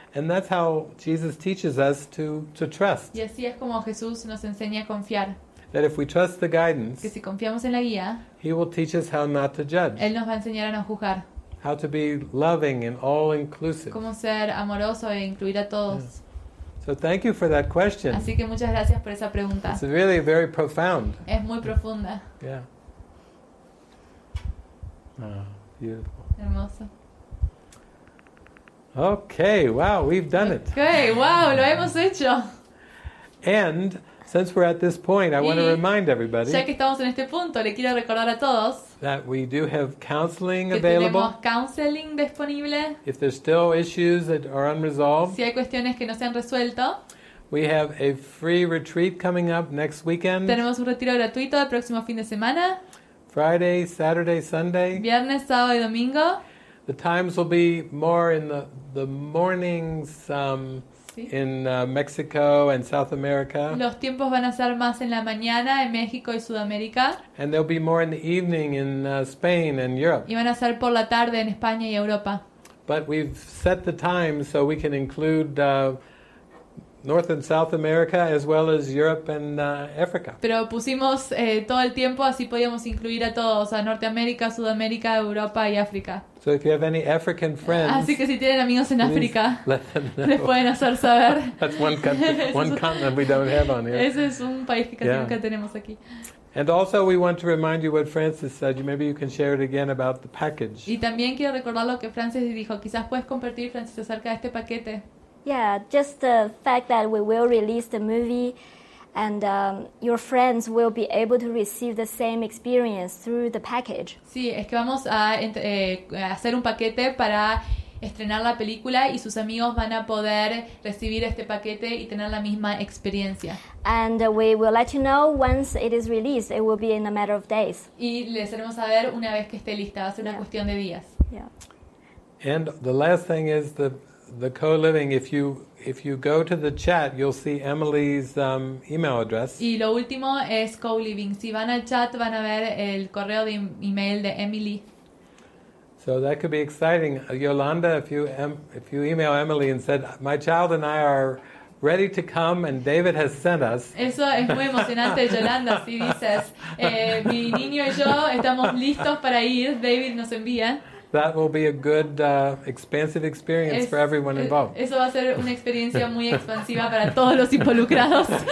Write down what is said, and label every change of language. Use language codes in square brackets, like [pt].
[en] And that's how Jesus teaches us to trust. [es] Y así es como Jesús nos enseña a confiar. [en] That if we trust the guidance, [es] que si confiamos en la guía, [en] he will teach us how not to judge. [es] Él nos va a enseñar a no juzgar. [en] How to be loving and all inclusive. [es] Cómo ser amoroso e incluir a todos. Yeah. [en] So thank you for that question. [es] Así que muchas gracias por esa pregunta. [en] It's really very profound. [es] Es muy profunda. [en] Yeah. Oh, beautiful. [es] Hermoso. [en] Okay, wow, we've done it. [es] Okay, wow, lo hemos hecho. [en] And since we're at this point, I want to remind everybody. [es] Ya que estamos en este punto, le quiero recordar a todos [en] that we do have counseling available. [es] Tenemos counseling disponible. [en] If there's still issues that are unresolved. [es] Si hay cuestiones que no se han resuelto. [en] We have a free retreat coming up next weekend. [es] Tenemos un retiro gratuito el próximo fin de semana. [en] Friday, Saturday, Sunday. [es] Viernes, sábado y domingo. [en] The times will be more in the mornings in Mexico and South America. [es] Los tiempos van a ser más en la mañana en México y Sudamérica. [en] And they'll be more in the evening in Spain and Europe. [es] Y van a ser por la tarde en España y Europa. [en] But we've set the time so we can include North and South America as well as Europe and Africa. [es] Pero pusimos todo el tiempo así podíamos incluir a todos, a Norteamérica, Sudamérica, Europa y África. [en] So if you have any African friends, [es] así que si tienen amigos en África, les pueden hacer saber. [en] That's one country, one continent we don't have on here. [es] Ese es un país que casi nunca tenemos aquí. [en] And also we want to remind you what Francis said. Maybe you can share it again about the package. [es] Y también quiero recordar lo que Francis dijo. Quizás puedes compartir, Francis, acerca de este paquete. [en] Yeah, just the fact that we will release the movie and your friends will be able to receive the same experience through the package. [es] Sí, es que vamos a hacer un paquete para estrenar la película y sus amigos van a poder recibir este paquete y tener la misma experiencia. [en] And we will let you know once it is released. It will be in a matter of days. [es] Y les haremos saber una vez que esté lista. Va a ser una cuestión de días. [en] Yeah. And the last thing is the co-living, if you go to the chat, you'll see Emily's email address. [es] Y lo último es co-living. Si van al chat, van a ver el correo de email de Emily. [en] So that could be exciting. Yolanda, if you email Emily and said, my child and I are ready to come and David has sent us. [es] Eso es muy emocionante, Yolanda, si dices, mi niño y yo estamos listos para ir, David nos envía. [en] That will be a good expansive experience for everyone involved. [es] Eso va a ser una experiencia muy expansiva para todos los involucrados.